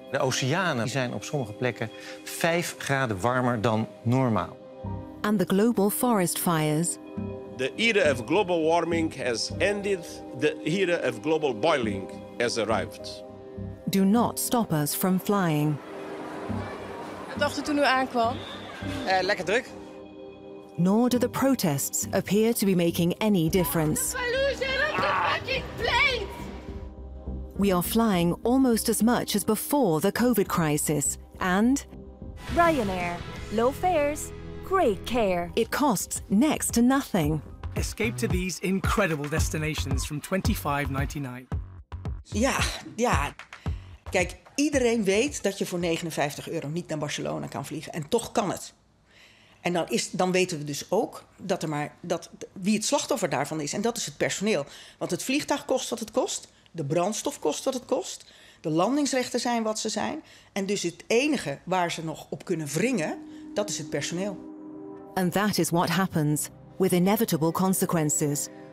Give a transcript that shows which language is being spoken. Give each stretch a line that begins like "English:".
Dutch: De oceanen zijn op sommige plekken 5 graden warmer dan normaal.
English: And the global forest fires. The era of global warming has ended. The era of global boiling has arrived. Do not stop us from flying.
Dutch: Wat dacht u toen u aankwam? Lekker druk.
English: Nor do the protests appear to be making any difference. We are flying almost as much as before the COVID crisis, and Ryanair, low fares, great care. It costs next to nothing. Escape to these incredible destinations from
Dutch: €25.99. Ja, ja. Kijk, iedereen weet dat je voor €59 niet naar Barcelona kan vliegen, en toch kan het. En dan weten we dus ook dat wie het slachtoffer daarvan is, en dat is het personeel. Want het vliegtuig kost wat het kost. De brandstof kost wat het kost. De landingsrechten zijn wat ze zijn. En dus het enige waar ze nog op kunnen wringen, dat is het personeel.
English: And that is what happens, with inevitable consequences.